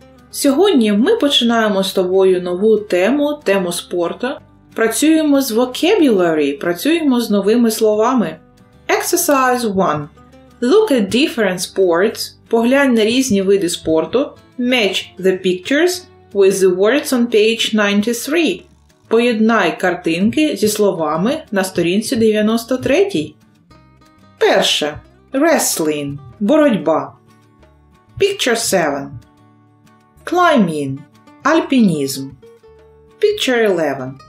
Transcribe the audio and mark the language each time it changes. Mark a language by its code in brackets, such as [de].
[uk] Сьогодні ми починаємо з тобою нову тему, тему спорту. Працюємо з vocabulary, працюємо з новими словами. [en] Exercise 1. Look at different sports. [uk] Поглянь на різні види спорту. [en] Match the pictures with the words on page 93. [uk] Поєднай картинки зі словами на сторінці 93. Перше. [en] Wrestling. [uk] Боротьба. [en] Picture 7. Climbing. [uk] Альпінізм. [en] Picture 11.